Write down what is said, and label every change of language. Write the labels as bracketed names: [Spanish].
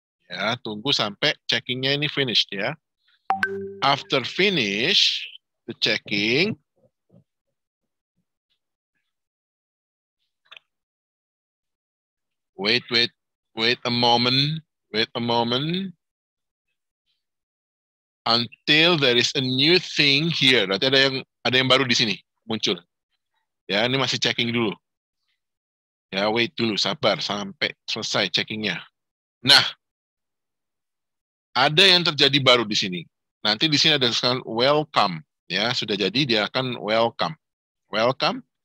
[Indonesian] Ya, tunggu sampai checkingnya ini finished ya. [English] After finish the checking, wait a moment until there is a new thing here. [Indonesian] Berarti ada yang baru di sini muncul. Ya, ini masih checking dulu. Ya, wait dulu, sabar sampai selesai checkingnya. Nah, ada yang terjadi baru di sini. Nanti di sini ada sekarang welcome, ya sudah jadi dia akan welcome, welcome.